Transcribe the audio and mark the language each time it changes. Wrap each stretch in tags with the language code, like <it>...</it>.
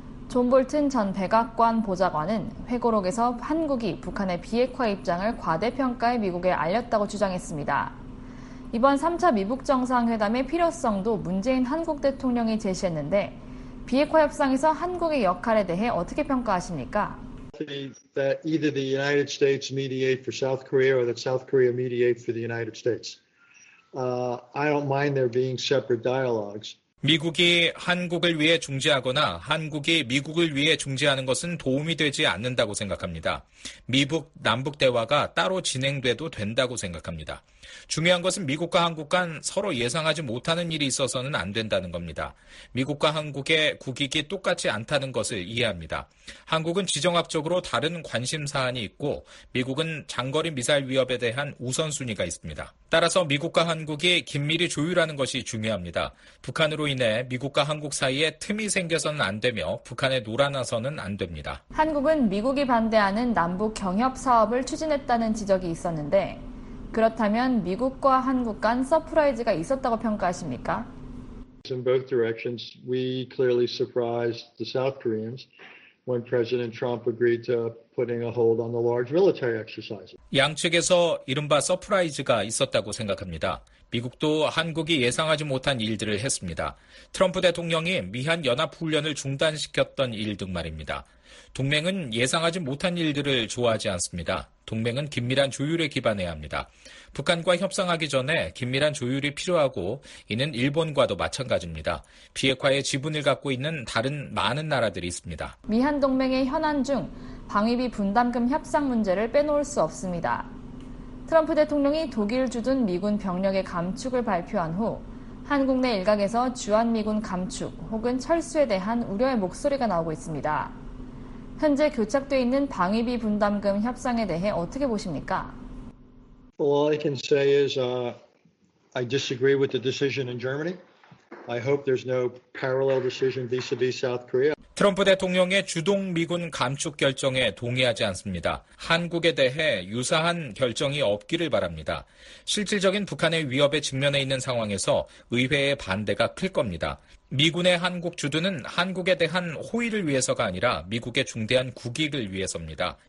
<ko>존 볼튼 전 백악관 보좌관은 회고록에서 한국이 북한의 비핵화 입장을 과대평가해 미국에 알렸다고 주장했습니다. 이번 3차 미북 정상회담의 필요성도 문재인 한국 대통령이 제시했는데 비핵화 협상에서 한국의 역할에 대해 어떻게 평가하십니까?</ko> <en>That either the United States mediate for South Korea or that South Korea mediate for the United States. I don't mind there being separate dialogues.</en> <ko>미국이 한국을 위해 중재하거나 한국이 미국을 위해 중재하는 것은 도움이 되지 않는다고 생각합니다. 미북 남북 대화가 따로 진행돼도 된다고 생각합니다. 중요한 것은 미국과 한국 간 서로 예상하지 못하는 일이 있어서는 안 된다는 겁니다. 미국과 한국의 국익이 똑같지 않다는 것을 이해합니다. 한국은 지정학적으로 다른 관심 사안이 있고 미국은 장거리 미사일 위협에 대한 우선순위가 있습니다. 따라서 미국과 한국이 긴밀히 조율하는 것이 중요합니다. 북한으로 인해 미국과 한국 사이에 틈이 생겨서는 안 되며 북한에 놀아나서는 안 됩니다. 한국은 미국이 반대하는 남북 경협 사업을 추진했다는 지적이 있었는데 그렇다면 미국과 한국 간 서프라이즈가 있었다고 평가하십니까?</ko> <en>In both directions, we clearly surprised the South Koreans when President Trump agreed to putting a hold on the large military exercises.</en> <ko>양측에서 이른바 서프라이즈가 있었다고 생각합니다. 미국도 한국이 예상하지 못한 일들을 했습니다. 트럼프 대통령이 미한 연합 훈련을 중단시켰던 일 등 말입니다. 동맹은 예상하지 못한 일들을 좋아하지 않습니다. 동맹은 긴밀한 조율에 기반해야 합니다. 북한과 협상하기 전에 긴밀한 조율이 필요하고 이는 일본과도 마찬가지입니다. 비핵화에 지분을 갖고 있는 다른 많은 나라들이 있습니다. 미한 동맹의 현안 중 방위비 분담금 협상 문제를 빼놓을 수 없습니다. 트럼프 대통령이 독일 주둔 미군 병력의 감축을 발표한 후 한국 내 일각에서 주한미군 감축 혹은 철수에 대한 우려의 목소리가 나오고 있습니다. 현재 교착돼 있는 방위비 분담금 협상에 대해 어떻게 보십니까?</ko> <en>Well, all I can say is I disagree with the decision in Germany. I hope there's no parallel decision vis-a-vis South Korea.</en> <ko>트럼프 대통령의 주둔 미군 감축 결정에 동의하지 않습니다. 한국에 대해 유사한 결정이 없기를 바랍니다. 실질적인 북한의 위협에 직면해 있는 상황에서 의회의 반대가 클 겁니다. 미군의 한국 주둔은 한국에 대한 호의를 위해서가 아니라 미국의 중대한 국익을 위해서입니다.</ko>